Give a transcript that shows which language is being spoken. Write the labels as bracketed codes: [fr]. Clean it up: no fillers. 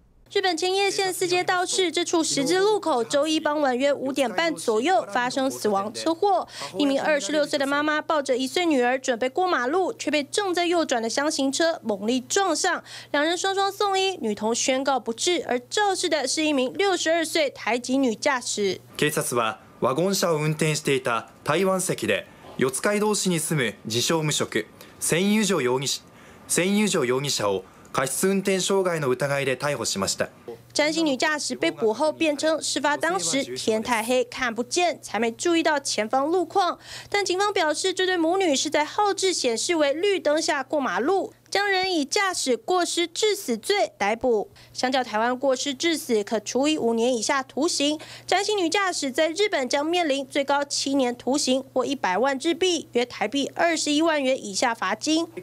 [zh] 日本千叶县四街道市这处十字路口，周一傍晚约5点半左右发生死亡车祸。一名26岁的妈妈抱着1岁女儿准备过马路，却被正在右转的厢型车猛力撞上，两人双双送医，女童宣告不治。而肇事的是一名62岁台籍女驾驶。 [ja] 警察はワゴン車を運転していた台湾籍で四街道市に住む自称無職専有上容疑者を過失運転傷害の疑いで逮捕しました。 [zh] 詹姓女驾驶被捕后辩称，事发当时天太黑看不见，才没注意到前方路况。但警方表示，这对母女是在后置显示为绿灯下过马路，将人以驾驶过失致死罪逮捕。相较台湾过失致死可处以5年以下徒刑，詹姓女驾驶在日本将面临最高7年徒刑或100万日币（约台币21万元）以下罚金。